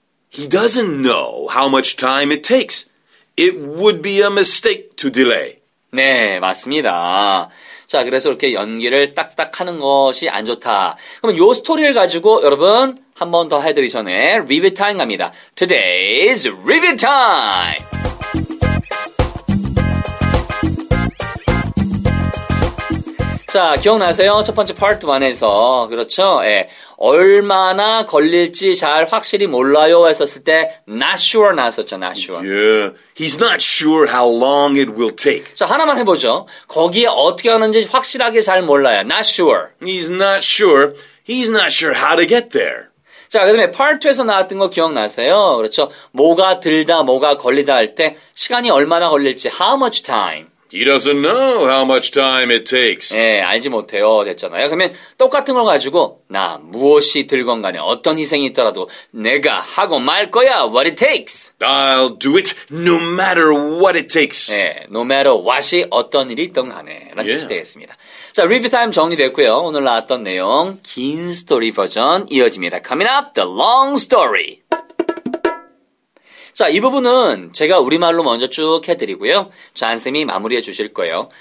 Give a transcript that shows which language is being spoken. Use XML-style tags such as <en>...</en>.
<en>He doesn't know how much time it takes. It would be a mistake to delay.</en> <ko>네, 맞습니다. 자, 그래서 이렇게 연기를 딱딱 하는 것이 안 좋다. 그럼 요 스토리를 가지고 여러분 한 번 더 해드리 전에 리뷰 타임 갑니다.</ko> <en>Today's review time!</en> <ko>자, 기억나세요? 첫 번째 파트 1에서, 그렇죠? 예. 얼마나 걸릴지 잘 확실히 몰라요 했었을 때</ko> <en>not sure</en> <ko>나왔었죠,</ko> <en>not sure. Yeah, he's not sure how long it will take.</en> <ko>자, 하나만 해보죠. 거기에 어떻게 하는지 확실하게 잘 몰라요,</ko> <en>not sure. He's not sure. He's not sure how to get there.</en> <ko>자, 그 다음에 파트 2에서 나왔던 거 기억나세요? 그렇죠? 뭐가 들다, 뭐가 걸리다 할 때 시간이 얼마나 걸릴지,</ko> <en>how much time. He doesn't know how much time it takes.</en> <ko>네, 알지 못해요. 됐잖아요. 그러면 똑같은 걸 가지고 나 무엇이 들건 간에 어떤 희생이 있더라도 내가 하고 말 거야.</ko> <en>What it takes. I'll do it no matter what it takes.</en> <ko>네,</ko> <en>no matter what</en> <ko>이 어떤 일이 있던 간에 라는 뜻이 되겠습니다. 자, 리뷰 타임 정리됐고요. 오늘 나왔던 내용 긴 스토리 버전 이어집니다.</ko> <en>Coming up, the long story.</en> <ko>자, 이 부분은 제가 우리말로 먼저 쭉 해드리고요. 잔쌤이 마무리해 주실 거예요.</ko>